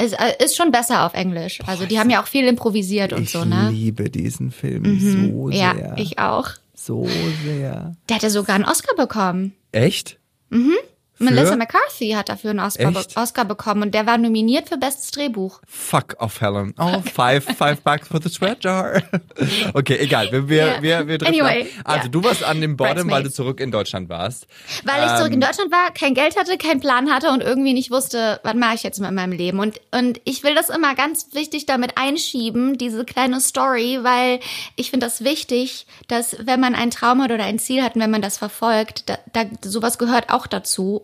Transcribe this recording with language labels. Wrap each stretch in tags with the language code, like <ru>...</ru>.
<de>es ist schon besser auf Englisch. Also die haben ja auch viel improvisiert und so, ne? Ich liebe diesen Film so sehr. Ja, ich auch. So sehr. Der hatte sogar einen Oscar bekommen. Echt? Mhm. Melissa McCarthy hat dafür einen Oscar bekommen und der war nominiert für bestes Drehbuch.</de> <en>Fuck off, Helen. Oh, five bucks for the sweat jar.</en> <de>Okay, egal. Wir treffen.</de> <en>Anyway,</en> <de>also, du warst an dem Boarding, weil du zurück in Deutschland warst. Weil ich zurück in Deutschland war, kein Geld hatte, keinen Plan hatte und irgendwie nicht wusste, was mache ich jetzt mit meinem Leben. Und ich will das immer ganz wichtig damit einschieben, diese kleine Story, weil ich finde das wichtig, dass wenn man einen Traum hat oder ein Ziel hat und wenn man das verfolgt, da sowas gehört auch dazu.</de>